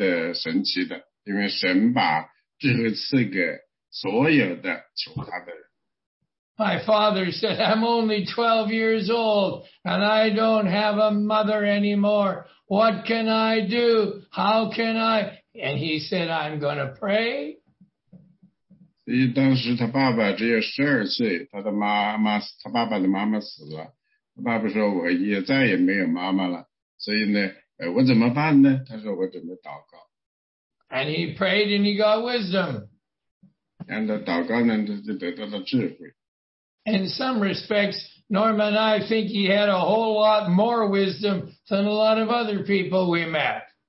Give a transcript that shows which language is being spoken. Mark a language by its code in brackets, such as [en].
[zh] 这是绝对的神奇的，因为神把 [en] My father said, I'm only 12 years old and I don't have a mother anymore. What can I do? How can I? And he said, I'm going to pray. [zh] 当时他爸爸只有12岁，他的妈妈死了。他爸爸说，我也再也没有妈妈了。所以呢，我怎么办呢？他说，我怎么祷告？ [en] And he prayed and he got wisdom. In some respects, Norma and I think he had a whole lot more wisdom than a lot of other people we met.